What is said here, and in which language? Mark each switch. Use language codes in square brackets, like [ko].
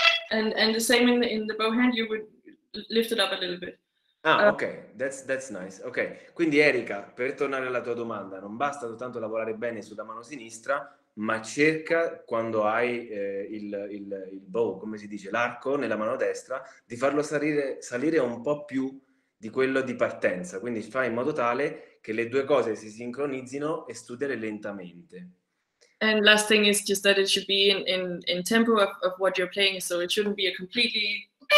[en] And the same in the bow hand, you would lift it up a little bit. Ah, ok, that's nice. [it] Ok, quindi Erika, per tornare alla tua domanda, non basta soltanto lavorare bene sulla mano sinistra, ma cerca, quando hai il bow, come si dice, l'arco nella mano destra, di farlo salire un po' più di quello di partenza. Quindi fai in modo tale che le due cose si sincronizzino e studiare lentamente. [en] And last thing is just that it should be in tempo of what you're playing, so it shouldn't be a completely...